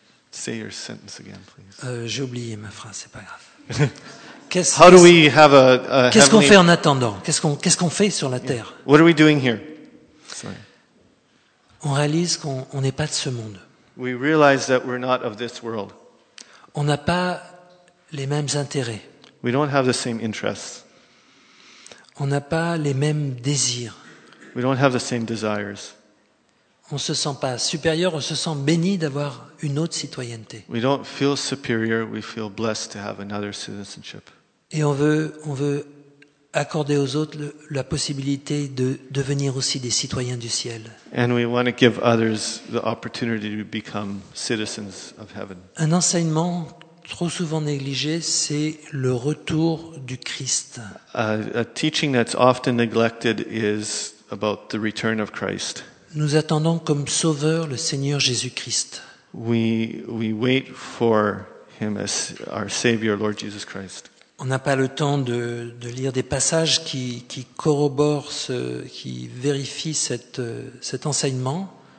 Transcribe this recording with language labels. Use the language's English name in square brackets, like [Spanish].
[English] Say your sentence again, please. [French] J'ai oublié ma phrase. C'est pas grave. [English] How do we have a heavenly? [French] Qu'est-ce qu'on fait en attendant? Qu'est-ce qu'on fait sur la terre? [English] What are we doing here? Sorry. [French] On réalise qu'on n'est pas de ce monde. [English] We realize that we're not of this world. [French] On n'a pas les mêmes intérêts. [English] We don't have the same interests. [French] On n'a pas les mêmes désirs. [English] We don't have the same desires. [French] On ne se sent pas supérieur, on se sent béni d'avoir une autre citoyenneté. [English] We don't feel superior, we feel blessed to have another citizenship. [French] Et on veut accorder aux autres la possibilité de devenir aussi des citoyens du ciel. [English] And we want to give others the opportunity to become citizens of heaven. [French] Un enseignement trop souvent négligé, c'est le retour du Christ. [English] A teaching that's often neglected is about the return of Christ. [French] Nous attendons comme sauveur le Seigneur Jésus-Christ. [English] We wait for him as our savior, Lord Jesus Christ. [French] On n'a pas le temps de lire des passages qui corroborent qui vérifient cet enseignement.